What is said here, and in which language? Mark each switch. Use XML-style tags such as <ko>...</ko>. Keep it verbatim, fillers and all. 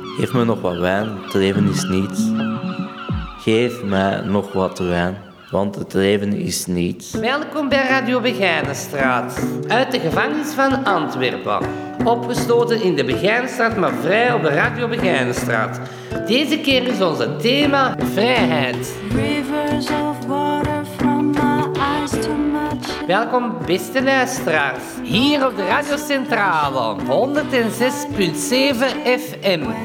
<nl>Geef me nog wat wijn, het leven is niets. Geef mij nog wat wijn, want het leven is niets. Welkom bij Radio Begijnenstraat, uit de gevangenis van Antwerpen. Opgesloten in de Begijnenstraat, maar vrij op de Radio Begijnenstraat. Deze keer is ons thema vrijheid.</nl> <en>Rivers of water from my eyes to my chin.</en> <nl>Welkom beste luisteraars, hier op de Radio Centrale, honderdzes komma zeven F M.</nl>